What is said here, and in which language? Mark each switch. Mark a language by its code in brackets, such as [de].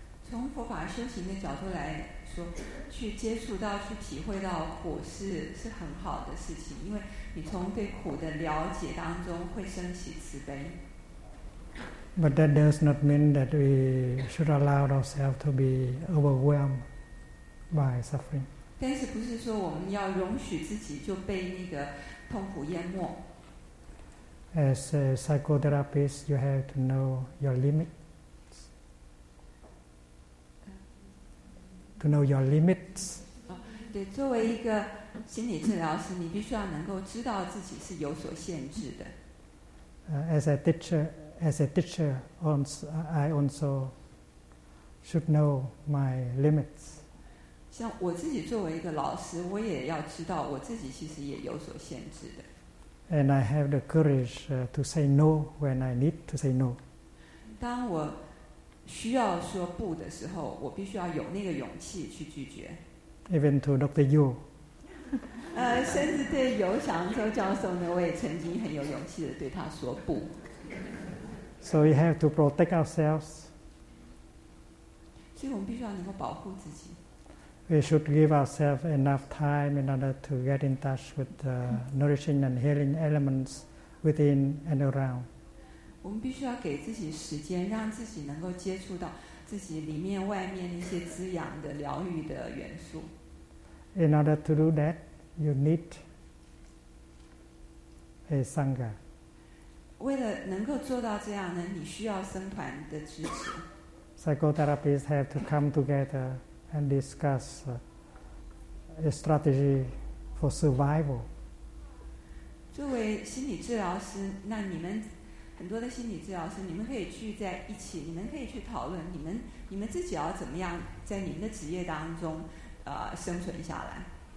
[zh] 从佛法修行的角度来说，去接触到、去体会到苦是很好的事情，因为你从对苦的了解当中会升起慈悲。 [en] But that does not mean that we should allow ourselves to be overwhelmed by suffering. [zh] 但是不是说我们要容许自己就被那个痛苦淹没？ [en] As a psychotherapist, you have to know your limit. To know your limits. [zh] 对，作为一个心理治疗师，你必须要能够知道自己是有所限制的。 [en] As a teacher, I also should know my limits. [zh] 像我自己作为一个老师，我也要知道我自己其实也有所限制的。 [en] And I have the courage to say no when I need to say no. [zh] 当我需要说不的时候，我必须要有那个勇气去拒绝。 [en] Even to Dr. Yu. [zh] 甚至对尤翔周教授呢，我也曾经很有勇气的对他说不。 [en] So we have to protect ourselves. [zh] 所以我们必须要能够保护自己。 [en] We should give ourselves enough time in order to get in touch with the nourishing and healing elements within and around. [zh] 我们必须要给自己时间，让自己能够接触到自己里面、外面那些滋养的、疗愈的元素。 [en] In order to do that, you need a sangha. [zh] 为了能够做到这样呢，你需要僧团的支持。 [en] Psychotherapists have to come together. And discuss a strategy for survival. [zh] 作为心理治疗师，那你们很多的心理治疗师，你们可以聚在一起，你们可以去讨论你们自己要怎么样在你们的职业当中，生存下来。